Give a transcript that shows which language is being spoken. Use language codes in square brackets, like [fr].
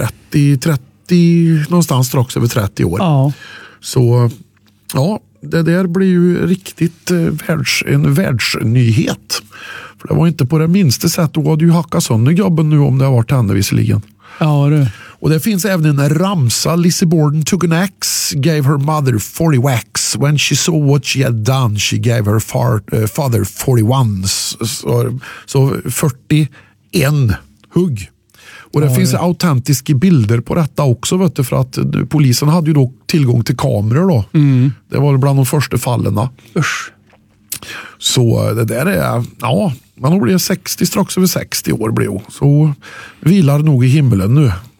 [sv] 30, någonstans strax över 30 år. Ja. Så ja, det där blir ju riktigt en världsnyhet. För det var inte på det minsta sätt. Hon hade ju hackat sönder gubben nu om det har varit henne visserligen. Ja, det. Och det finns även en ramsa. [en] Lizzie Borden took an axe, gave her mother 40 whacks. When she saw what she had done, she gave her father 41. [sv] Så 41 hugg. Och det finns autentiska bilder på detta också, vet du, för att polisen hade ju då tillgång till kameror då. Mm. Det var bland de första fallen. Usch. Så det där är, ja, man blir 60, strax över 60 år blir hon. Så vilar nog i himlen nu.